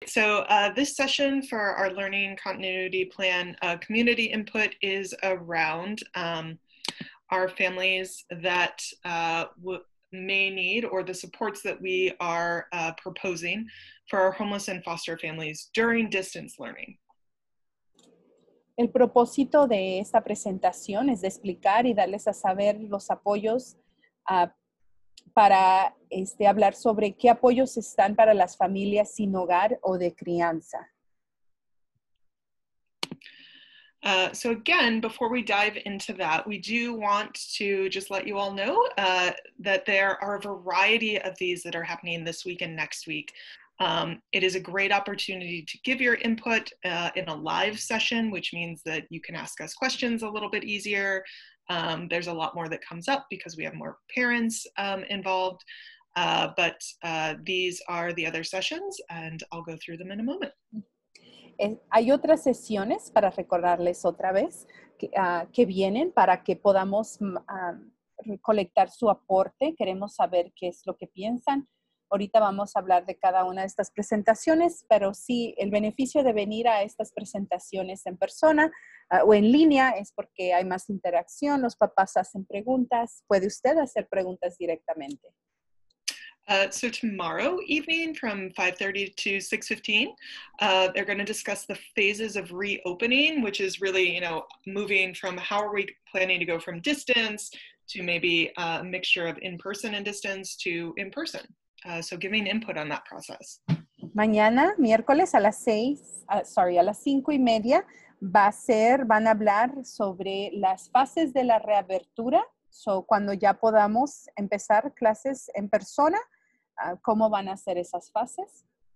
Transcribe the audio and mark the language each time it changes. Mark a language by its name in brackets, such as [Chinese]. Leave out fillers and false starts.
[English] So this session for our learning continuity plan community input is around our families that may need or the supports that we are proposing for our homeless and foster families during distance learning. [Spanish] El propósito de esta presentación es de explicar y darles a saber los apoyos para hablar sobre qué apoyos están para las familias sin hogar o de crianza. [English] So again, before we dive into that, we do want to just let you all know that there are a variety of these that are happening this week and next week. It is a great opportunity to give your input in a live session, which means that you can ask us questions a little bit easier. There's a lot more that comes up because we have more parents involved, but these are the other sessions and I'll go through them in a moment. [Spanish] Hay otras sesiones para recordarles otra vez que vienen para que podamos recolectar su aporte. Queremos saber qué es lo que piensan. Ahorita vamos a hablar de cada una de estas presentaciones, pero sí, el beneficio de venir a estas presentaciones en persona o en línea es porque hay más interacción, los papás hacen preguntas, puede usted hacer preguntas directamente. [English] So tomorrow evening from 5:30 to 6:15, they're going to discuss the phases of reopening, which is really, you know, moving from how are we planning to go from distance to maybe a mixture of in-person and distance to in-person. So giving input on that process. [Spanish] Mañana, miércoles a las 5:30, van a hablar sobre las fases de la reabertura. So cuando ya podamos empezar clases en persona, ¿cómo van a ser esas fases?